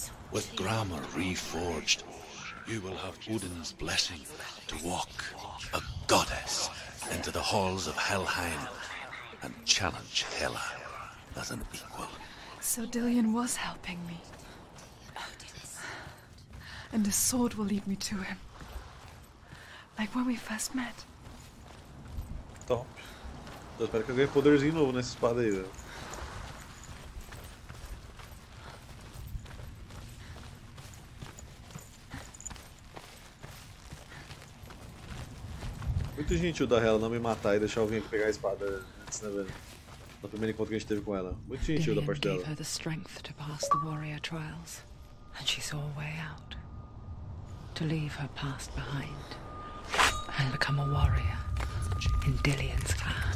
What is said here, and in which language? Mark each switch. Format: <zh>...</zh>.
<en>With Grammar reforged, you will have Odin's blessing to walk a goddess into the halls of Helheim and challenge Hela as an equal. So Dillion was helping me. And his sword will lead me to him. Like when we first met.</en> <pt>Top. Eu espero que eu ganhe poderzinho novo nessa espada aí, velho. Muito gentil da Hela não me matar e deixar eu vir aqui pegar a espada antes, né, velho? No primeiro encontro que a gente teve com ela. Muito gentil da parte dela.</pt> <en>Dillion gave her the strength to pass the warrior trials. And she saw a way out. To leave her past behind. And become a warrior. In Dillion's clan.</en>